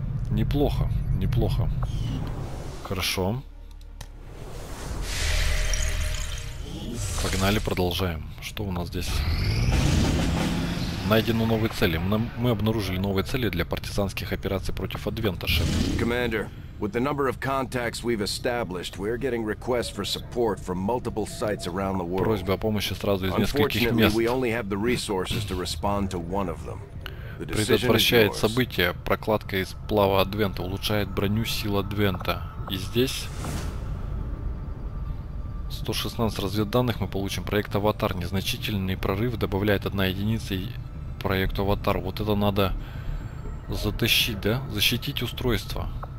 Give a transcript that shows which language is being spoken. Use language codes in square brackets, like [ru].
[ru] Неплохо, неплохо. Хорошо. Погнали, продолжаем. Что у нас здесь? Найдено новые цели. Мы обнаружили новые цели для партизанских операций против Адвенташа. Командир. [en] With the number of contacts we've established, we're getting requests for support from multiple sites around the world. [ru] Просьба о помощи сразу из нескольких мест. [en] Unfortunately, we only have the resources to respond to one of them. [ru] Предотвращает события. Прокладка из плава Адвента улучшает броню сил Адвента. И здесь 116 разведданных мы получим. Проект Аватар. Незначительный прорыв добавляет 1 единица проекту Аватар. Вот это надо затащить, да? Защитить устройство.